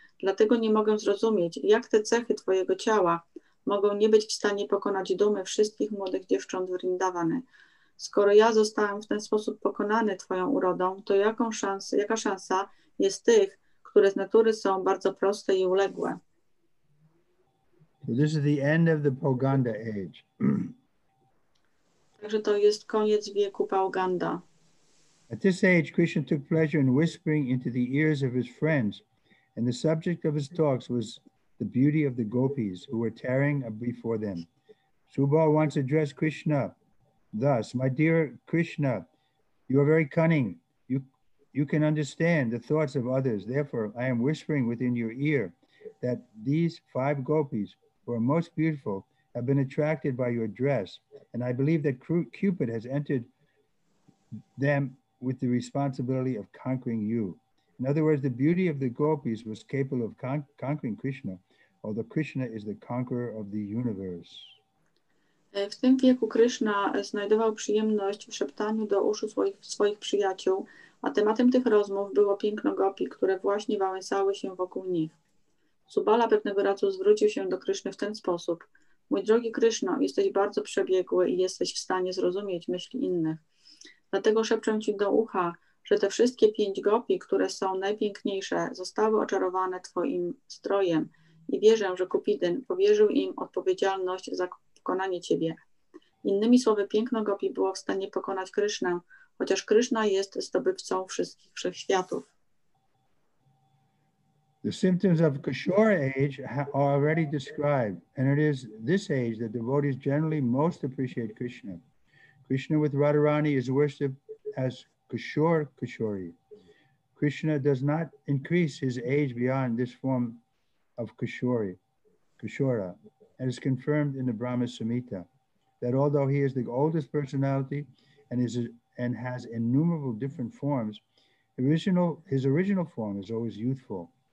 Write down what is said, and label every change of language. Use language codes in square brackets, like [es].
[pl] Dlatego nie mogę zrozumieć, jak te cechy twojego ciała mogą nie być w stanie pokonać dumy wszystkich młodych dziewcząt Vrindavany. Skoro ja zostałem w ten sposób pokonany twoją urodą, to jaka szansa jest tych, które z natury są bardzo proste i uległe? [en] So this is the end of the Pauganda age. [pl] Także to jest koniec wieku Pauganda. [en] At this age, Krishna took pleasure in whispering into the ears of his friends, and the subject of his talks was the beauty of the gopis who were tearing before them. Subal once addressed Krishna thus, my dear Krishna, you are very cunning. You can understand the thoughts of others. Therefore, I am whispering within your ear that these five gopis who are most beautiful have been attracted by your dress. And I believe that Cupid has entered them with the responsibility of conquering you. In other words, the beauty of the gopis was capable of conquering Krishna, although Krishna is the conqueror of the universe. [pl] W tym wieku Krishna znajdował przyjemność w szeptaniu do uszu swoich przyjaciół, a tematem tych rozmów było piękno gopi, które właśnie wałęsały się wokół nich. Subala pewnego razu zwrócił się do Kryszny w ten sposób. Mój drogi Kryszno, jesteś bardzo przebiegły i jesteś w stanie zrozumieć myśli innych. Dlatego szepczę ci do ucha, że te wszystkie pięć gopi, które są najpiękniejsze, zostały oczarowane twoim strojem i wierzę, że Kupidyn powierzył im odpowiedzialność za pokonanie ciebie. Innymi słowy, piękno gopi było w stanie pokonać Krysznę, chociaż Kryszna jest zdobywcą wszystkich wszechświatów. [en] The symptoms of Kishore age are already described, and it is this age that devotees generally most appreciate Krishna. Krishna with Radharani is worshipped as Kishore Kishori. Krishna does not increase his age beyond this form of Kishori, Kishora, and is confirmed in the Brahma Samhita that although he is the oldest personality and has innumerable different forms, his original form is always youthful.